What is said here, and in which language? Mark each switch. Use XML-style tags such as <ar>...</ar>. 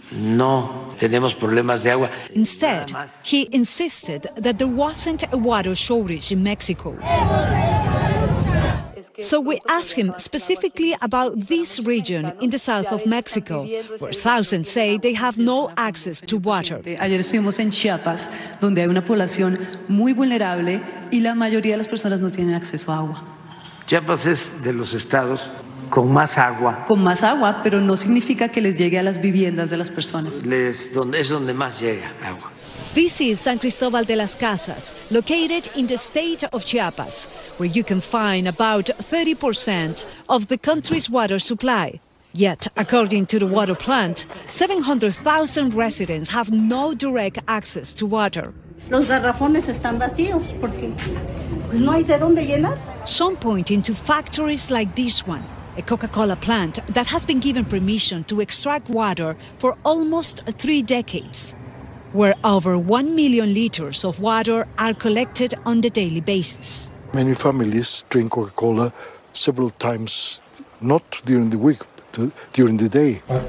<es>No tenemos problemas de agua.</es> <en>Instead, he insisted that there wasn't a water shortage in Mexico. So we asked him specifically about this region in the south of Mexico, where thousands say they have no access to water.</en> <es>Ayer estuvimos en Chiapas, donde hay una población muy vulnerable y la mayoría de las personas no tienen acceso a agua. Chiapas es de los estados con más agua. Con más agua, pero no significa que les llegue a las viviendas de las personas. Es donde más llega agua.</es> <en>This is San Cristobal de las Casas, located in the state of Chiapas, where you can find about 30% of the country's water supply. Yet, according to the water plant, 700,000 residents have no direct access to water.</en> <es>Los garrafones están vacíos porque no hay de dónde llenar.</es> <en>Some point into factories like this one, a Coca-Cola plant that has been given permission to extract water for almost three decades, where over 1 million liters of water are collected on a daily basis. Many families drink Coca-Cola several times, not during the week, but during the day.</en>